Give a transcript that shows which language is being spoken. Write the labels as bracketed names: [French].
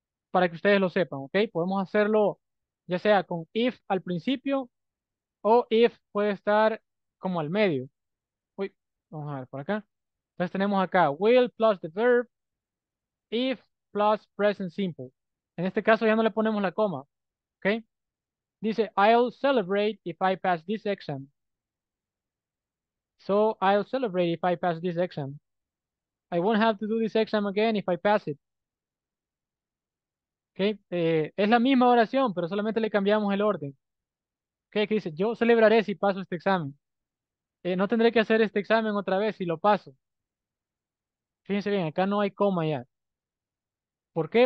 [Spanish] Para que ustedes lo sepan, ¿ok? Podemos hacerlo ya sea con if al principio o if puede estar como al medio. Uy, vamos a ver por acá. Entonces tenemos acá [English] will plus the verb, if plus present simple. [Spanish] En este caso ya no le ponemos la coma, ¿ok? Dice [English] I'll celebrate if I pass this exam. So, I'll celebrate if I pass this exam. I won't have to do this exam again if I pass it. [Spanish] Okay, es la misma oración, pero solamente le cambiamos el orden. Okay, que dice, yo celebraré si paso este examen. No tendré que hacer este examen otra vez si lo paso. Fíjense bien, acá no hay coma ya. ¿Por qué?